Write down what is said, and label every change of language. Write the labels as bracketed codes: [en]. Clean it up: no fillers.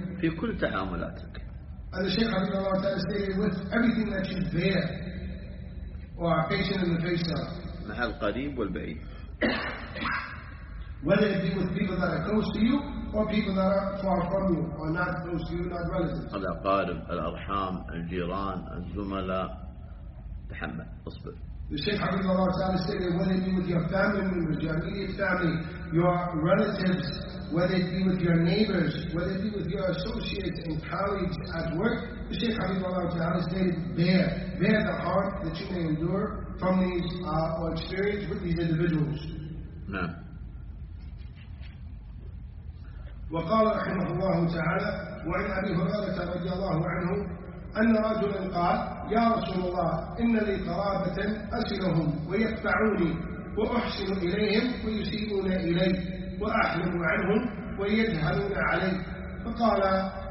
[ar] في كل تعاملاتك. [en] And the Shaykh Habib Allah Ta'ala stated, with everything that you bear or are patient in the face of, [ar] محل قريب والبعيد. [en] Whether it be with people that are close to you or people that are far from you or not close to you, not relatives. [ar] الأقارب, الأرحام, الجيران, الزملاء. تحمل, اصبر. [en] The Shaykh Habib Allah Ta'ala stated, whether it be with your family members, your immediate family, your relatives, whether it be with your neighbors, whether it be with your associates and colleagues at work, the Shaykh Habib Allah Ta'ala stated, bear the harm that you may endure from these or experience with these individuals. No. [ar] وقال رحمه الله تعالى وعن أبي هريرة رضي الله عنه أن رجلا قال يا رسول الله إن لي قرابة أسلهم ويتبعوني وأحسن إليهم ويسيئون إلي وأحلم عنهم ويجهلون علي فقال